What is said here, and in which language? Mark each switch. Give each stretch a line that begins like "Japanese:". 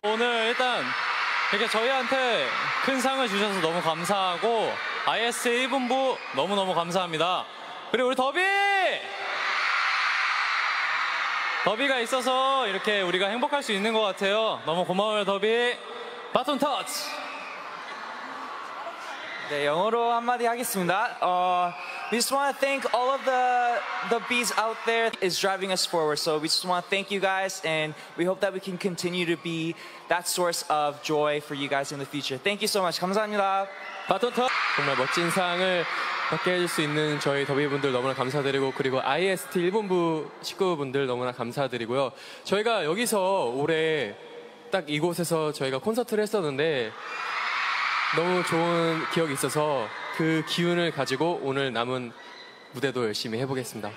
Korean: 오늘 일단 이렇게 저희한테 큰 상을 주셔서 너무 감사하고, ISA 본부 너무너무 감사합니다. 그리고 우리 더비! 더비가 있어서 이렇게 우리가 행복할 수 있는 것 같아요. 너무 고마워요, 더비. 바톤 터치! 네, 영어로 한마디 하겠습니다.
English: We just want to thank all of the bees out there is driving us forward. So we just want to thank you guys, and we hope that we can continue to be that source of joy for you guys in the future. Thank you so much.
Korean: 감사합니다. 바톤 터치. 정말 멋진 상을 받게 해줄 수 있는 저희 더비분들 너무나 감사드리고, 그리고 IST 일본부 식구분들 너무나 감사드리고요. 저희가 여기서 올해 딱 이곳에서 저희가 콘서트를 했었는데 너무 좋은 기억이 있어서 그 기운을 가지고 오늘 남은 무대도 열심히 해보겠습니다.